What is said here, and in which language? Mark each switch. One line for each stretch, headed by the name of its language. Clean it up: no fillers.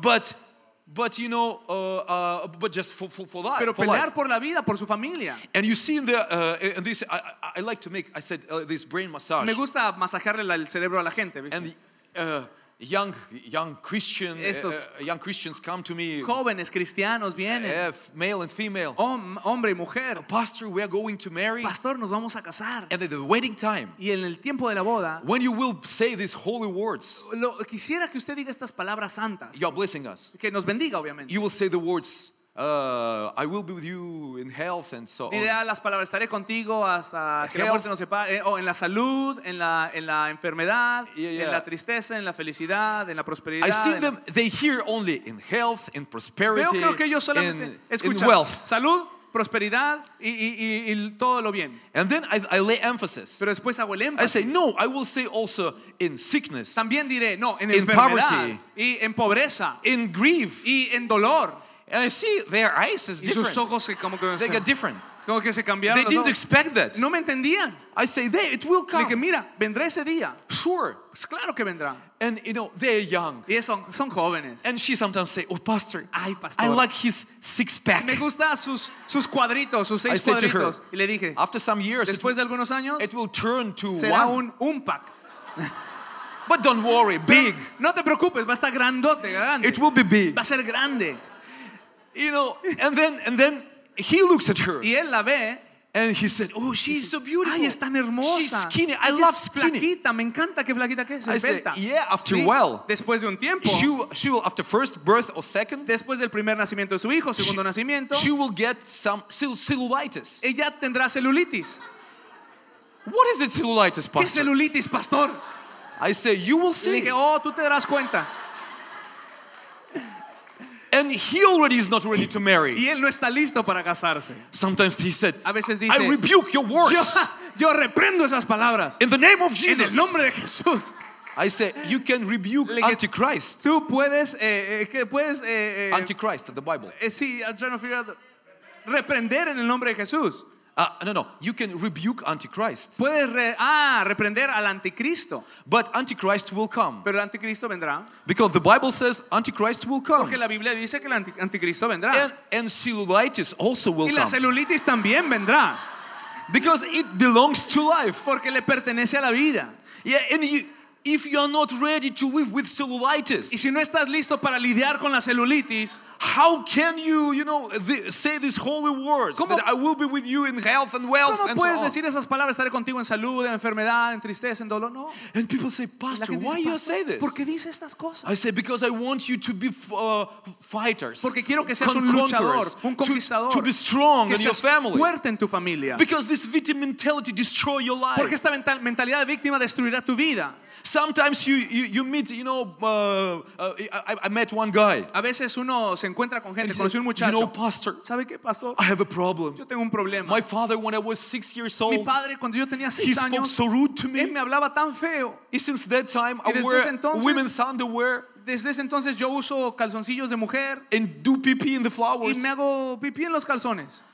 English: But you know, but just for that.
Spanish: Pero
English: for
Spanish: pelear
English: life.
Spanish: Por la vida, por su familia.
English: And you see in the and this I like to make. I said this brain massage.
Spanish: Me gusta masajearle el cerebro a la gente, ¿viste?
English: And young Christians come to me.
Spanish: Jóvenes cristianos vienen.
English: Male and female.
Spanish: Hombre y mujer.
English: Pastor, we are going to marry.
Spanish: Pastor, nos vamos a casar.
English: And at the wedding time.
Spanish: Y en el tiempo de la boda.
English: When you will say these holy words.
Spanish: Lo quisiera que usted diga estas palabras santas.
English: You are blessing us.
Spanish: Que nos bendiga, obviamente.
English: You will say the words. I will be with you in health and so on.
Spanish: Diré las palabras. Estaré contigo hasta que la muerte nos separe. O en la salud, en la enfermedad,
English: yeah.
Spanish: En la tristeza, en la felicidad, en la prosperidad.
English: I see them. They hear only in health, in prosperity.
Spanish: Veo que ellos solamente escuchan
English: wealth.
Spanish: Salud, prosperidad y todo lo bien.
English: And then I lay emphasis.
Spanish: Pero después hago el énfasis.
English: I say no. I will say also in sickness.
Spanish: También diré no en
English: in
Spanish: enfermedad
English: poverty,
Spanish: y en pobreza.
English: In grief
Spanish: y en dolor.
English: And I see their eyes is different. They get different. They didn't expect that.
Spanish: No me entendían.
English: I say they, it will come.
Spanish: Dije, mira, vendrá ese día.
English: Sure.
Spanish: Pues claro que vendrá.
English: And you know they're young.
Spanish: Y son, son jóvenes.
English: And she sometimes say, oh pastor,
Spanish: ay, pastor,
English: I like his six pack.
Spanish: Me gusta sus cuadritos, sus seis
English: I said
Spanish: cuadritos.
English: To her,
Spanish: le dije,
English: after some years,
Spanish: después de algunos años,
English: it will turn to
Spanish: será
English: one.
Spanish: Un pack.
English: But don't worry, big.
Spanish: No te preocupes, va a estar grandote, grande.
English: It will be big.
Spanish: Va a ser grande.
English: You know, and then he looks at her.
Spanish: Y él la ve,
English: and he said, oh, she's so beautiful.
Spanish: Ay, es tan hermosa.
English: She's skinny. I love skinny.
Spanish: Flaquita. Me encanta qué flaquita que es.
English: I
Spanish: esbelta.
English: Say, yeah, after
Spanish: sí.
English: Well.
Spanish: Después de un tiempo.
English: She will, after first birth or second.
Spanish: Después del primer nacimiento de su hijo, segundo nacimiento.
English: She will get some cellulitis.
Spanish: Ella tendrá celulitis.
English: What is it, cellulitis, pastor?
Spanish: ¿Qué celulitis, pastor?
English: I say, you will see.
Spanish: Le dije, oh, tú te darás cuenta.
English: And he already is not ready to marry.
Spanish: Y él no está listo para casarse.
English: Sometimes he said,
Spanish: a veces dice,
English: I rebuke your words.
Spanish: Yo reprendo esas palabras.
English: In the name of Jesus.
Spanish: En el nombre de Jesús.
English: I say, you can rebuke Antichrist.
Spanish: Tú puedes, puedes,
English: Antichrist, the Bible. Sí, I'm trying to figure out.
Spanish: Reprender en el nombre de Jesús.
English: No, you can rebuke Antichrist.
Spanish: Puedes reprender al anticristo.
English: But Antichrist will come.
Spanish: Pero el anticristo vendrá.
English: Because the Bible says Antichrist will come.
Spanish: Porque la Biblia dice que el anticristo vendrá.
English: And cellulitis also will come.
Spanish: Y la celulitis también vendrá.
English: Because it belongs to life.
Spanish: Porque le pertenece a la vida.
English: Yeah, and you, if you are not ready to live with cellulitis.
Spanish: Y si no estás listo para lidiar con la celulitis.
English: How can you, you know, say these holy words
Spanish: ¿cómo?
English: That I will be with you in health and wealth and so on?
Spanish: ¿Cómo puedes decir esas palabras? Estaré contigo en salud, en enfermedad, en tristeza, en dolor. No.
English: And people say, Pastor,
Spanish: dice,
English: why do you say this?
Spanish: ¿Por qué dice estas cosas?
English: I say, because I want you to be fighters.
Spanish: Porque quiero que seas un luchador, un conquistador.
English: To be strong in your family.
Spanish: Fuerte en tu familia.
English: Because this victim mentality destroys your life.
Spanish: Porque esta mentalidad de víctima destruirá tu vida.
English: Sometimes you meet, you know, I met one guy.
Spanish: A veces uno se encuentra con gente, conocí un muchacho.
English: You know, pastor.
Spanish: ¿Sabe qué, pastor?
English: I have a problem.
Spanish: Yo tengo un problema.
English: My father, when I was 6 years old.
Spanish: Mi padre, cuando yo tenía 6 años.
English: He spoke so rude to me.
Spanish: Él me hablaba tan feo.
English: And since that time, I wear women's underwear.
Spanish: Desde ese entonces yo uso calzoncillos de mujer.
English: And do pipí in the flowers.
Spanish: Y me hago pipí en los calzones.